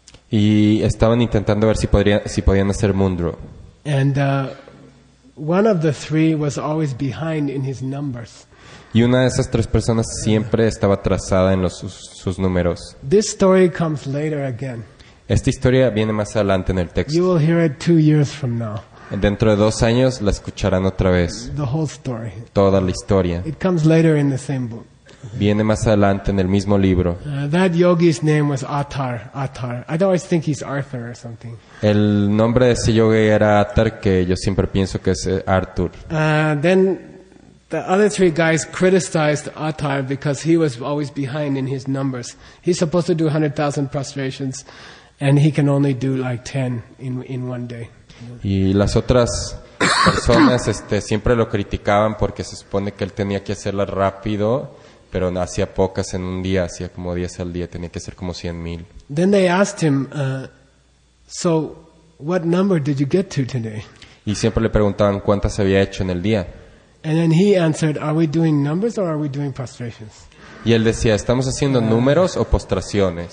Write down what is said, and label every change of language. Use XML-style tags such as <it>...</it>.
<es>Y estaban intentando ver si podían hacer Mundro.</es> <en>And one of the 3 was always behind in his numbers.</en> <es>Y una de esas 3 personas siempre estaba atrasada en sus números.</es> <en>This story comes later again.</en> <es>Esta historia viene más adelante en el texto.</es> <en>You will hear it 2 years from now.</en> <es>Dentro de 2 años la escucharán otra vez.</es> <en>The whole story.</en> <es>Toda la historia.</es> <en>It comes later in the same book.</en> <es>Viene más adelante en el mismo libro.</es> <en>That yogi's name was Atar. I always think he's Arthur or something.</en> <es>El nombre de ese yogi era Atar, que yo siempre pienso que es Arthur.</es> <en>Then the other 3 guys criticized Atar because he was always behind in his numbers. He's supposed to do 100,000 prostrations and he can only do like 10 in one day.</en> <es>Y las otras personas siempre lo criticaban porque se supone que él tenía que hacerla rápido, pero no hacía pocas en un día, hacía como 10 al día, tenía que hacer como 100,000.</es> <en>Then they asked him, so what number did you get to today?</en> <es>Y siempre le preguntaban cuántas había hecho en el día.</es> <en>And then he answered, are we doing numbers or are we doing prostrations?</en> <es>Y él decía, ¿estamos haciendo números o postraciones?</es>